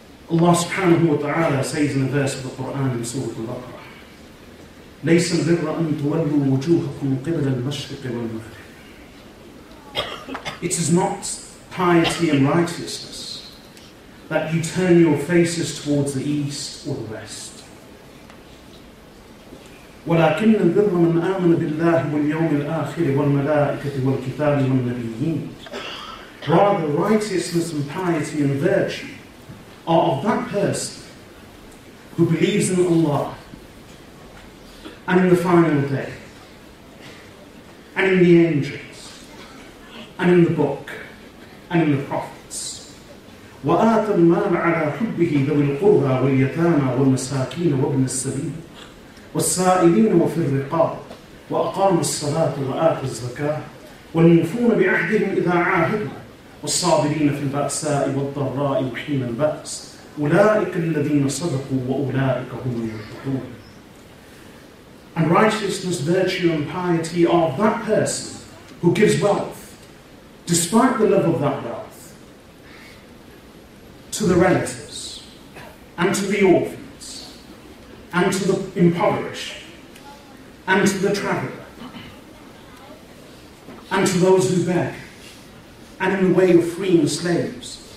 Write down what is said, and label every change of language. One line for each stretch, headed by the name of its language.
English: Allah subhanahu wa ta'ala says in a verse of the Quran in Surah Al-Baqarah,
Arabic: لَيْسَ الْبِرَّ أَن تُوَلُّوا وُجُوهَكُمْ قِبْلَ الْمَشْرِقِ وَالْمَغْرِبِ.
English: It is not piety and righteousness that you turn your faces towards the east or the west.
Arabic: ولكن الذر من آمن بالله واليوم الآخر والملائكة والكتاب والنبيين.
English: Rather, righteousness and piety and virtue are of that person who believes in Allah and in the final day and in the angels and in the book and in the prophets.
Arabic: وآتى المال على حبه ذوي القربى واليتامى والمساكين وابن السبيل والسائلين وفي الرقاب وأقاموا الصلاة وآتوا الزكاة والموفون بعهدهم إذا عاهدوا والصابرين في البأساء والضراء وحين البأس أولئك الذين صدقوا وأولئك هم المتقون.
English: And righteousness, virtue and piety are of that person who gives wealth, despite the love of that wealth, to the relatives and to the orphans and to the impoverished, and to the traveller, and to those who beg, and in the way of freeing slaves.